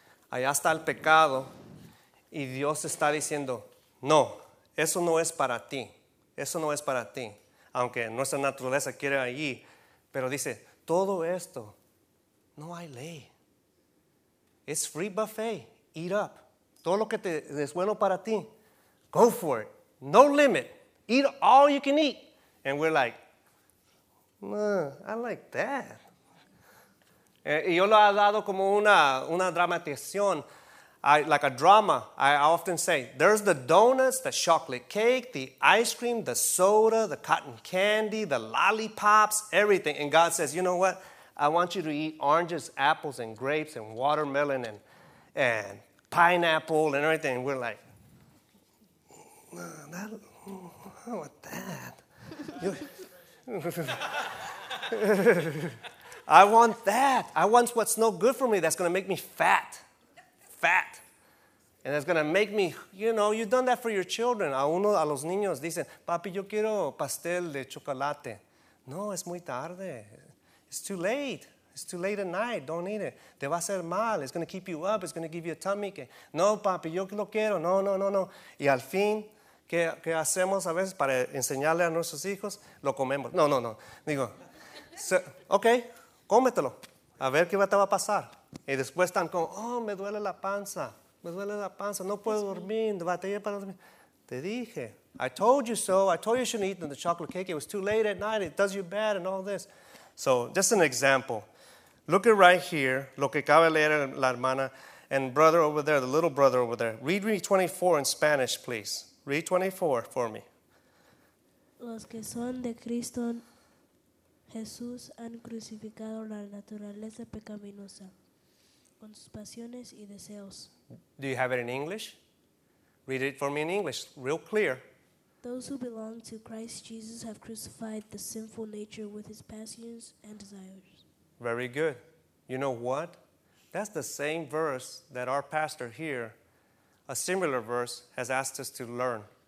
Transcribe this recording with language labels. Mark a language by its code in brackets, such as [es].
[es] Allá está el pecado y Dios está diciendo, no, eso no es para ti. Eso no es para ti. Aunque nuestra naturaleza quiere allí. Pero dice, todo esto, no hay ley. [en] It's free buffet. Eat up. [es] Todo lo que te es bueno para ti. [en] Go for it. No limit. Eat all you can eat. And we're like, I like that. [es] Y yo lo he dado como una dramatización. [en] Like a drama. I often say, there's the donuts, the chocolate cake, the ice cream, the soda, the cotton candy, the lollipops, everything. And God says, you know what? I want you to eat oranges, apples, and grapes, and watermelon, and pineapple, and everything. And we're like, I don't want that. I want that. I want what's no good for me that's going to make me fat. Fat. And it's going to make me, you know, you've done that for your children. [es] A uno, a los niños, dicen, papi, yo quiero pastel de chocolate. No, es muy tarde. [en] It's too late. It's too late at night. Don't eat it. [es] Te va a hacer mal. [en] It's going to keep you up. It's going to give you a tummy ache. [es] No, papi, yo lo quiero. No, no, no, no. Y al fin, ¿qué hacemos a veces para enseñarle a nuestros hijos? Lo comemos. No, no, no. Digo, so, ok, cómetelo. A ver qué te va a pasar. Y después están como, oh, me duele la panza. Me duele la panza. No puedo dormir. Batallé para dormir. Te dije. [en] I told you so. I told you shouldn't eat the chocolate cake. It was too late at night. It does you bad and all this. So, just an example. Look at right here, [es] lo que acaba de leer la hermana, [en] and brother over there, the little brother over there. Read me 24 in Spanish, please. Read 24 for me. [es] Los que son de Cristo Jesús han crucificado la naturaleza pecaminosa con sus pasiones y deseos. [en] Do you have it in English? Read it for me in English, real clear. Those who belong to Christ Jesus have crucified the sinful nature with his passions and desires. Very good. You know what? That's the same verse that our pastor here, a similar verse, has asked us to learn.